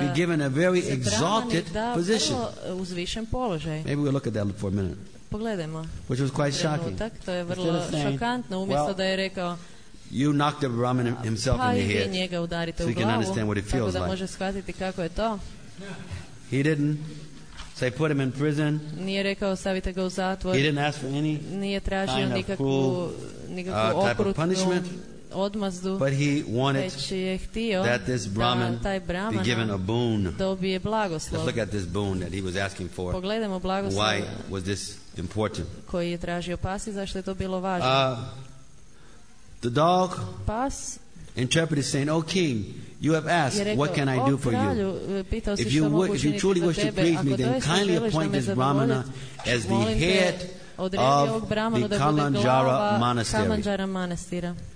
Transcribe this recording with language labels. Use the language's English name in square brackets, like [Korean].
[English] be given a very exalted position. [Croatian] Uzvišen položaj. [English] Maybe we'll look at that for a minute. [Croatian] Pogledajmo. [English] Which was quite shocking. [Croatian] Tak, to je vrlo šokantno, umjesto da je rekao, [English] you knocked the Brahmana himself in the head. [Croatian] Pa i njega udarite u glavu, [English] so he can understand what it feels [Croatian] like. Može shvatiti kako je to. [English] He didn't. So they put him in prison. [Croatian] Nije rekao stavite ga u zatvor. [English] He didn't ask for any [Croatian] nije tražio [English] kind of [Croatian] nikakvu, [English] type of punishment. [Croatian] Odmazdu, [English] but he wanted [Croatian] je htio [English] that this Brahmin be given a boon. [Croatian] Dobije blagoslov. [English] Let's look at this boon that he was asking for. [Croatian] Pogledajmo blagoslov. [English] Why was this important? [Croatian] Koji je tražio pas i zašto je to bilo važno? [English] The dog [Croatian] pas [English] interpreted saying, oh king, you have asked, [Croatian] rekao, [English] what can I do for you? If you, would, if you truly wish to please me, then kindly appoint this Brahmana as the head of the Kalanjara Monastery.